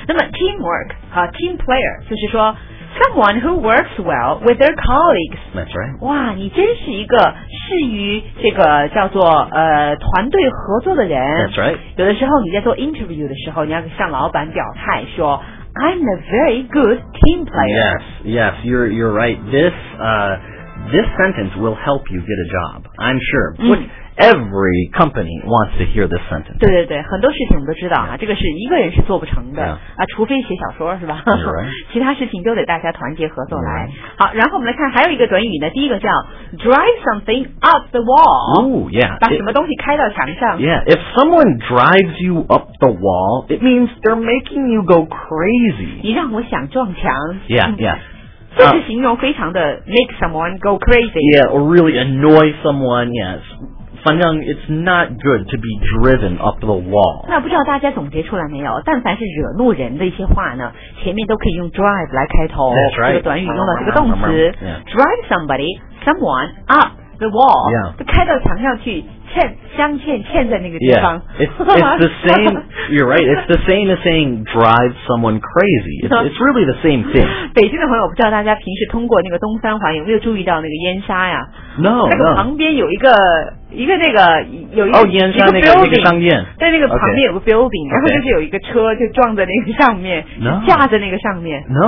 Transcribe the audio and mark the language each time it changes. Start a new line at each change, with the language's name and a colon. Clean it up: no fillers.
English: 那么 teamwork 和 team player
Chinese: 就是说
English: someone who works well with their colleagues。 That's right。
Chinese: 哇，你真是一个适于这个叫做团队合作的人。
English: That's right。
Chinese: 有的时候你在做 interview 的时候，你要向老板表态说。
English: I'm a very good team player. Yes, yes, you're right. This, this sentence will help you get a job, I'm sure. But every company wants to hear this sentence.
Chinese: 对对对，很多事情都知道啊，这个是一个人是做不成的、
English: yeah.
Chinese: 啊，除非写小说是吧？
English: Right.
Chinese: 其他事情都得大家团结合作来。
English: Right.
Chinese: 好，然后我们来看还有一个短语呢，第一个叫 drive something up the wall.
English: Oh, yeah.
Chinese: 把什么东西开到墙上。
English: Yeah, if someone drives you up the wall, it means they're making you go crazy.
Chinese: 你让我想撞墙。
English: Yeah, yeah.
Chinese: 这是形容非常的 make someone go crazy.
English: Yeah, or really annoy someone, yes.
Chinese: 反正
English: it's not good to be driven up the wall.
Chinese: 那不知道大家总结出来没有，但凡是惹怒人的一些话呢，前面都可以用 drive 来开头。
English: That's right.
Chinese: 这个短语用到这个动词。
English: Yeah. Drive somebody, someone, up the wall. Yeah.
Chinese: 开到墙上去。镶嵌在那个地方。
English: Yeah, it's the same, you're right, it's the same as saying drive someone crazy. It's really the same thing.
Chinese: 北京的朋友，我不知道大家平时通过那个东三环有没有注意到那个烟沙呀？
English: No,
Chinese: 那个旁边有一个、
English: no.
Chinese: 一个那个有一个、 oh, 烟沙那个商店，在那个旁边有个 building、
English: okay.
Chinese: 然后就是有一个车就撞在那个上面、
English: no.
Chinese: 架在那个上面
English: no,